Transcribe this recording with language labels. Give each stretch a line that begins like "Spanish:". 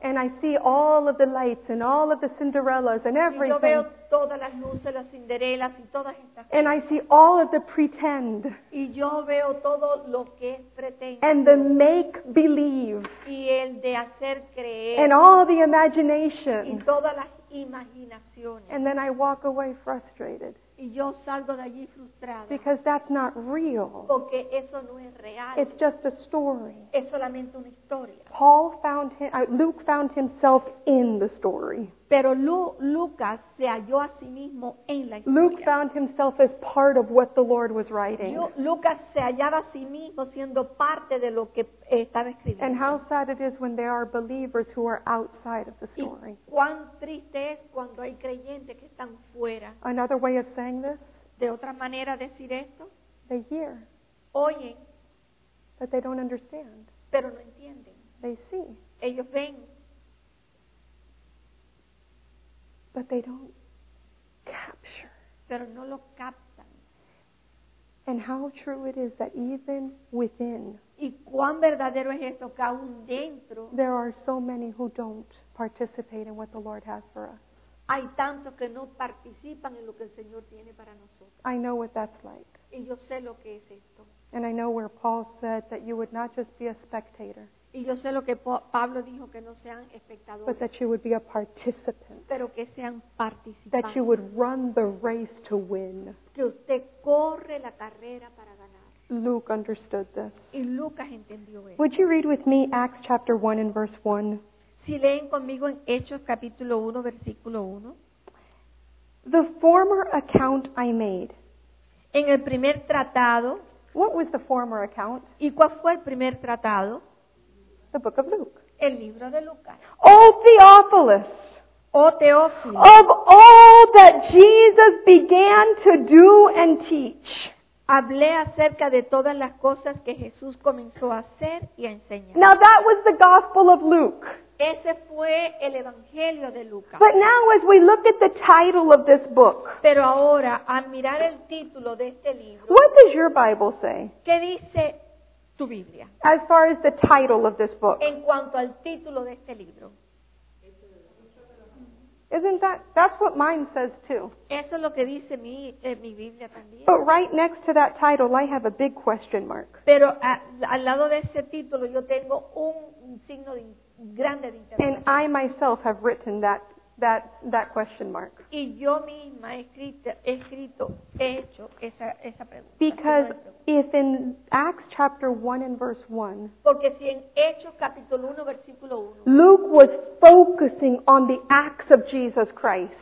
English: And I see all of the lights and all of the Cinderellas and everything.
Spanish: Y yo veo todas las luces, las Cinderellas y todas estas cosas.
English: And I see all of the pretend.
Spanish: Y yo veo todo lo que es pretend.
English: And the make believe.
Spanish: Y el de hacer creer.
English: And all the imagination.
Spanish: Y todas las imaginaciones.
English: And then I walk away frustrated.
Spanish: Y yo salgo de allí frustrada.
English: Because that's not real.
Spanish: Porque eso no es real.
English: It's just a story.
Spanish: Es solamente una historia.
English: Luke found himself in the story.
Spanish: Pero Lucas se halló a sí mismo en la historia.
English: Luke found himself as part of what the Lord was writing.
Spanish: Lucas se hallaba a sí mismo siendo parte de lo que estaba escribiendo.
English: And how sad it is when there are believers who are outside of the story.
Spanish: Y cuán triste es cuando hay creyentes que están fuera.
English: Another way of saying this.
Spanish: De otra manera decir esto.
English: They hear.
Spanish: Oyen.
English: But they don't understand.
Spanish: Pero no entienden.
English: They see.
Spanish: Ellos ven.
English: But they don't capture.
Spanish: Pero no lo captan.
English: And how true it is that even within,
Spanish: y cuán verdadero es eso, que aún dentro,
English: there are so many who don't participate in what the Lord has for us.
Spanish: Hay tantos que no participan en lo que el Señor tiene para nosotros.
English: I know what that's like.
Spanish: Y yo sé lo que es esto.
English: And I know where Paul said that you would not just be a spectator.
Spanish: Y yo sé lo que Pablo dijo, que no sean espectadores.
English: But that you would be a participant.
Spanish: Pero que sean participantes.
English: That you would run the race to win.
Spanish: Que usted corre la carrera para ganar.
English: Luke understood this.
Spanish: Y Lucas entendió esto.
English: Would you read with me Acts chapter 1 and verse 1?
Spanish: Si leen conmigo en Hechos capítulo 1, versículo 1.
English: The former account I made.
Spanish: En el primer tratado.
English: What was the former account?
Spanish: ¿Y cuál fue el primer tratado?
English: The book of Luke.
Spanish: El libro de Lucas.
English: O Theophilus.
Spanish: O Teófilo.
English: Of all that Jesus began to do and teach.
Spanish: Hablé acerca de todas las cosas que Jesús comenzó a hacer y a enseñar.
English: Now that was the gospel of Luke.
Spanish: Ese fue el evangelio de Lucas.
English: But now as we look at the title of this book.
Spanish: Pero ahora, al mirar el título de este libro.
English: What does your Bible say?
Spanish: ¿Qué dice tu Biblia?
English: As far as the title of this book.
Spanish: En cuanto al título de este libro.
English: Isn't that's what mine says too.
Spanish: Eso es lo que dice mi Biblia también.
English: But right next to that title, I have a big question mark.
Spanish: Pero al lado de ese título, yo tengo un signo grande de interrogación.
English: And I myself have written that question mark.
Spanish: Y yo misma he hecho esa pregunta.
English: Because if in Acts chapter 1 and verse 1,
Spanish: porque si en Hechos capítulo 1 versículo 1,
English: Luke was focusing on the acts of Jesus Christ.